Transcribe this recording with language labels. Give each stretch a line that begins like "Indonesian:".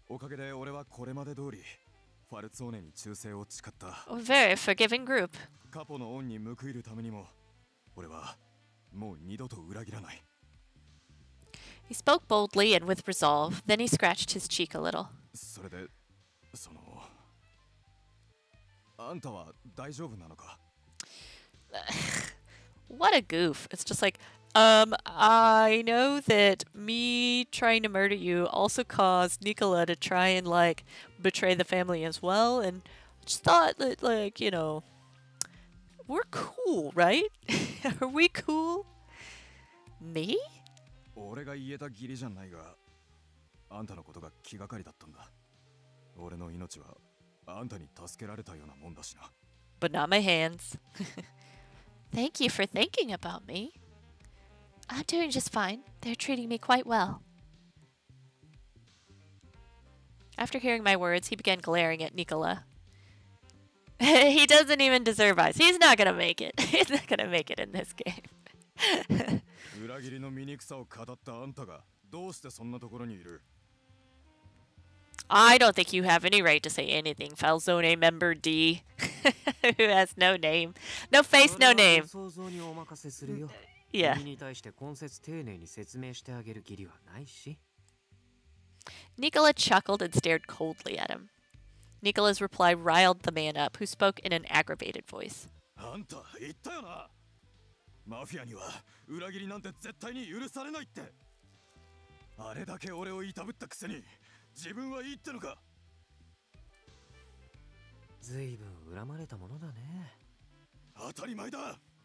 English: Very forgiving group. I'll He spoke boldly and with resolve, then he scratched his cheek a little.
Japanese: それで、その…あんたは大丈夫なのか?
English: What a goof. It's just like, I know that me trying to murder you also caused Nicola to try and, like, betray the family as well, and just thought that, like, you know, we're cool, right? Are we cool? Me?
Japanese: 俺が言えたギリじゃないが、あんたのことが気がかりだったんだ。俺の命はあんたに助けられたようなもんだしな。
English: But not my hands. Thank you for thinking about me. I'm doing just fine. They're treating me quite well. After hearing my words, he began glaring at Nicola. He doesn't even deserve eyes. He's not gonna make it. He's not gonna make it in this game.
Japanese: 裏切りの醜さを語ったあんたがどうしてそんなところにいる?
English: I don't think you have any right to say anything, Falzone member D, who has no name. No face, no name.
Japanese: 想像にお任せするよ。
English: Yeah.
Japanese: 君に対して懇切丁寧に説明してあげる義理はないし。
English: Nicola chuckled and stared coldly at him. Nicola's reply riled the man up, who spoke in an aggravated voice.
Japanese: あんた言ったよな。マフィアには裏切りなんて絶対に許されないって。あれだけ俺をいたぶったくせに、自分はいいってのか。ずいぶん恨まれたものだね。当たり前だ。